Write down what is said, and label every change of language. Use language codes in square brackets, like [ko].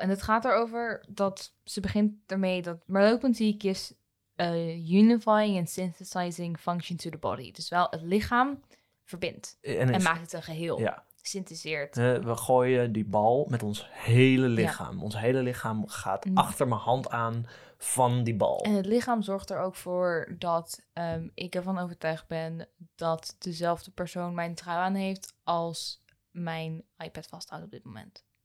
[nl] En het gaat erover dat ze begint ermee dat... [en] Merleau-Ponty is unifying and synthesizing function to the body. [nl] Dus wel het lichaam verbindt en maakt het een geheel. Ja. Synthetiseert. We gooien die bal met ons hele lichaam. Ja. Ons hele lichaam gaat achter mijn hand aan van die bal. En het lichaam zorgt er ook voor dat ik ervan overtuigd ben dat dezelfde persoon mijn trui aan heeft als mijn iPad vasthoudt op dit moment.